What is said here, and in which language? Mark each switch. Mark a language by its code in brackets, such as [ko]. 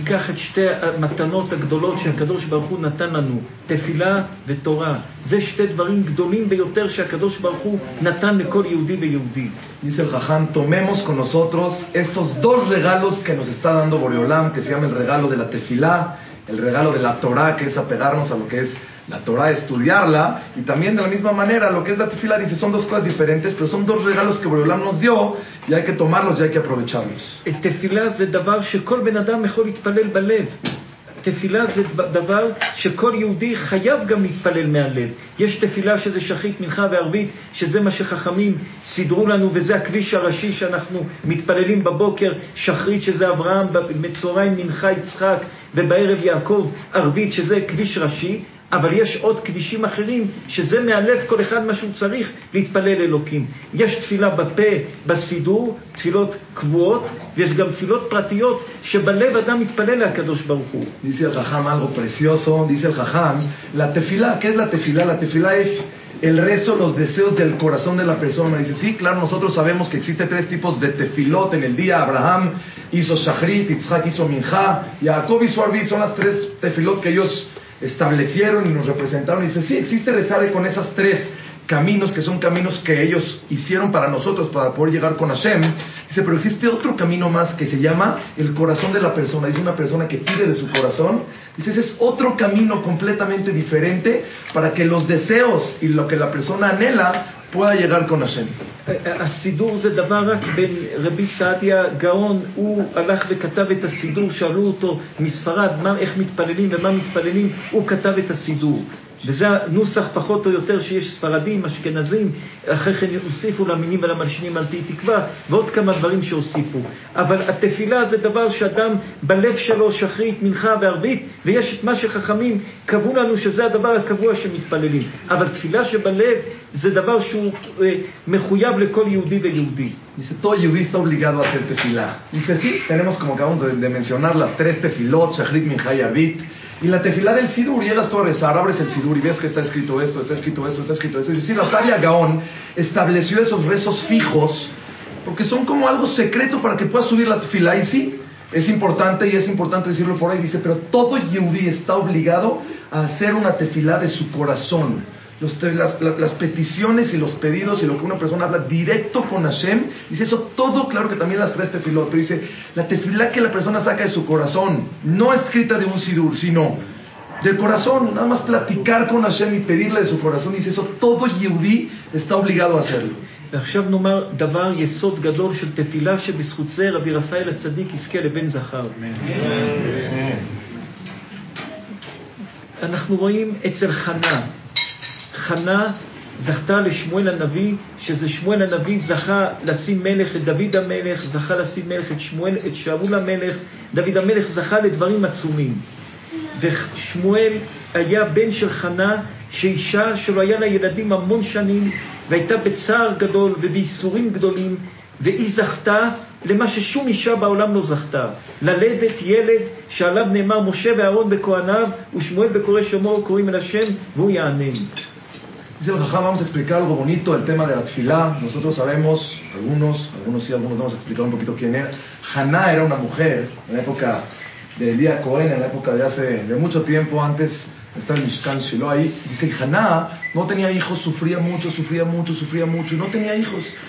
[es] Dice el Jajam, tomemos con nosotros estos dos regalos que nos está dando Boreolam, que se llama el regalo de la tefilá, el regalo de la Torah, que es apegarnos a lo que es la Torah, estudiarla, y también de la misma manera lo que es la tefilá. Dice, son dos cosas diferentes, pero son dos regalos que Boreolam nos dio y hay que tomarlos y hay que aprovecharlos. [he] Tefilá es el davar que kol ben adam mejor itpalel balev. תפילה זה דבר שכל יהודי חייב גם להתפלל מהלב. יש תפילה שזה שחית מנחה וערבית, שזה מה שחכמים סידרו לנו, וזה הכביש הראשי שאנחנו מתפללים בבוקר, שחרית שזה אברהם, במצהריים מנחה יצחק, ובערב יעקב, ערבית שזה כביש ראשי, אבל יש עוד כבישים אחרים שזה מהלב, כל אחד מה שהוא צריך להתפלל אלוקים. יש תפילה בפה, בסידור, תפילות קבועות, ויש גם תפילות פרטיות שבלב אדם מתפלל להקדוש ברוך הוא. [es] דיסי אל חכם, אלו פרסיוסו, דיסי אל חכם, [he] לתפילה, כן לתפילה, לתפילה יש... [es] El rezo, los deseos del corazón de la persona. Dice, sí, claro, nosotros sabemos que existe tres tipos de tefilot en el día. Abraham hizo shachrit, Yitzhak hizo minja, Jacob hizo arbit. Son las tres tefilot que ellos establecieron y nos representaron. Dice, sí, existe rezar con esas tres caminos, que son caminos que ellos hicieron para nosotros, para poder llegar con Hashem. Dice, pero existe otro camino más que se llama el corazón de la persona. Dice, una persona que pide de su corazón. Dice, ese es otro camino completamente diferente para que los deseos y lo que la persona anhela pueda llegar con Hashem. [he] הסידור זה דבר רק בין רבי סעדיה גאון, הוא הלך וכתב את הסידור, שאלו אותו מספרד, מה, איך מתפללים ומה מתפללים, הוא כתב את הסידור. וזה נוסח פחות או יותר שיש ספרדים, אשכנזים, אחרי כן הוסיפו למינים ולמלשינים על תהי תקווה, ועוד כמה דברים שהוסיפו. אבל התפילה זה דבר שאדם בלב שלו שחרית, מנחה וערבית, ויש את מה שחכמים קבעו לנו שזה הדבר הקבוע שמתפללים. אבל תפילה שבלב זה דבר שהוא מחויב לכל יהודי ויהודי. [es] Dice, todo yudí está obligado a hacer tefilá. Dice, sí, tenemos como acabamos de mencionar las tres tefilot, shachrit, minha y arbit. Y la tefilá del sidur, llegas tú a rezar, abres el sidur y ves que está escrito esto, está escrito esto, está escrito esto. Y dice, sí, la sabia Gaón estableció esos rezos fijos porque son como algo secreto para que puedas subir la tefilá. Y sí, es importante decirlo fuera. Y dice, pero todo yudí está obligado a hacer una tefilá de su corazón. Las peticiones y los pedidos y lo que una persona habla directo con Hashem, dice eso todo, claro que también las tres tefilot, pero dice, la tefilá que la persona saca de su corazón, no escrita de un sidur, sino del corazón, nada más platicar con Hashem y pedirle de su corazón, dice eso todo yehudí está obligado a hacerlo. [he] ועכשיו נאמר דבר יסוד גדול של תפילה שבזכות זה רבי רפאל הצדיק יזכה לבן זכר. אנחנו רואים אצל חנה, חנה זכתה לשמואל הנביא, שזה שמואל הנביא זכה לשים מלך את דוד המלך, זכה לשים מלך את שמואל, את שאול המלך, דוד המלך זכה לדברים עצומים. ושמואל היה בן של חנה, שאישה שלו היה לה ילדים המון שנים, והייתה בצער גדול ובייסורים גדולים, והיא זכתה למה ששום אישה בעולם לא זכתה, ללדת ילד שעליו נאמר משה ואהרון בכהניו, ושמואל בקורא שמו קוראים אל השם, והוא יענן. [es] Dice el Jajam, vamos a explicar algo bonito, el tema de la tefilá. Nosotros sabemos, algunos sí, algunos vamos a explicar un poquito quién era. Haná era una mujer, en la época de Elía Cohen, en la época de hace de mucho tiempo antes, estaba el Mishkan Shiloh ahí. Dice, Haná no tenía hijos, sufría mucho, y no tenía hijos.